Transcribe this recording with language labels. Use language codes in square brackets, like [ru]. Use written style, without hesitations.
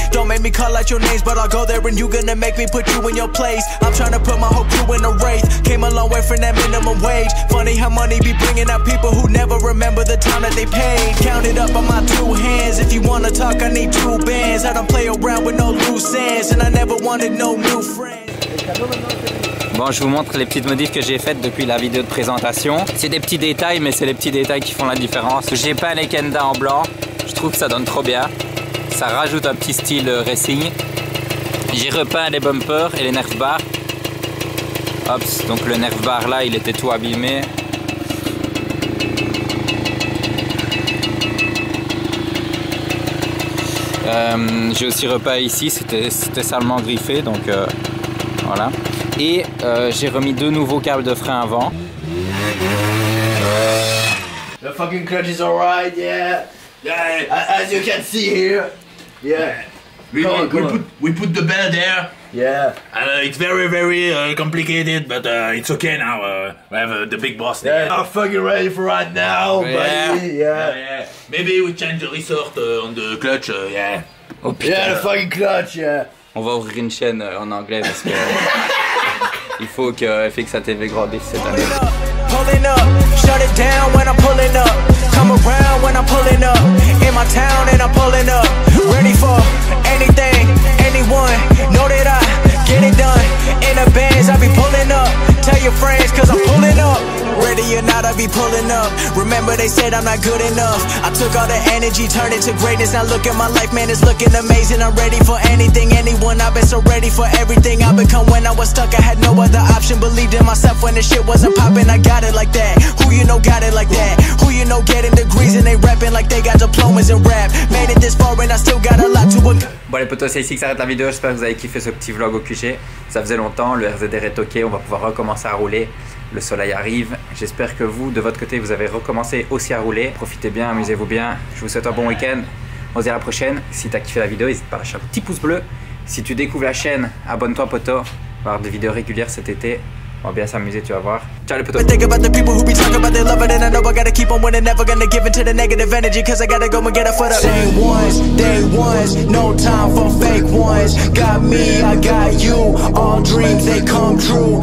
[en] Don't make me call out your names, but I'll go there and you're gonna make me put you in your place. I'm trying to put my whole crew in a race. Came a long way from that minimum wage. Funny how money be bringing out people who never remember the time that they paid. Count it up on my two hands. If you wanna talk, I need two bands. I don't play around with no loose ends, and I never wanted no. [fr] Bon, je vous montre les petites modifs que j'ai faites depuis la vidéo de présentation. C'est des petits détails, mais c'est les petits détails qui font la différence. J'ai peint les Kenda en blanc, je trouve que ça donne trop bien. Ça rajoute un petit style racing. J'ai repeint les bumpers et les nerf bars. Hop, donc le nerf bar là, il était tout abîmé. J'ai aussi repeint ici, c'était salement griffé, donc voilà. Et j'ai remis deux nouveaux câbles de frein avant. [en] The fucking clutch is alright, yeah. As you can see here, yeah. We put the bell there. Yeah. It's very very complicated, but it's okay now. We have the big boss there. Yeah. I'm fucking ready for right now, buddy. Yeah. Yeah. Maybe we change the resort on the clutch, yeah. [fr] Oh, putain. [en] Yeah, the fucking clutch, yeah. [fr] On va ouvrir une chaîne en anglais parce que il faut que FXATV grandisse cette année. [en] Pulling up, shut it down when I'm pulling up. Come around when I'm pulling up. In my town and I'm pulling up. Ready for anything, anyone. Know that I get it done. In the bands, I'll be pulling up. Tell your friends, cause I'm pulling up. Ready or not, I'll be pulling up. Remember they said I'm not good enough. I took all the energy, turned it to greatness. Now look at my life, man, it's looking amazing. I'm ready for anything, anyone. I've been so ready for everything I've become. When I was stuck, I had no other option. Believed in myself when the shit wasn't popping. I got it like that. Who you know got it like that? Who you know getting degrees and they rapping like they got diplomas in rap. Made it this far and I still got a lot to work. [fr] Bon les potos, c'est ici que s'arrête la vidéo. J'espère que vous avez kiffé ce petit vlog au QG. Ça faisait longtemps, le RZR est ok, on va pouvoir recommencer à rouler. Le soleil arrive. J'espère que vous, de votre côté, vous avez recommencé aussi à rouler. Profitez bien, amusez-vous bien. Je vous souhaite un bon week-end. On se dit à la prochaine. Si t'as kiffé la vidéo, n'hésite pas à lâcher un petit pouce bleu. Si tu découvres la chaîne, abonne-toi, poto. On va avoir des vidéos régulières cet été. On va bien s'amuser, tu vas voir. Ciao les potos. [en] Think about the people who be talking about their love, and I know I gotta keep on winning, never gonna give into the negative energy, cause I gotta go and get a foot up. Same ones, day ones, no time for fake ones. Got me, I got you, all dreams they come true.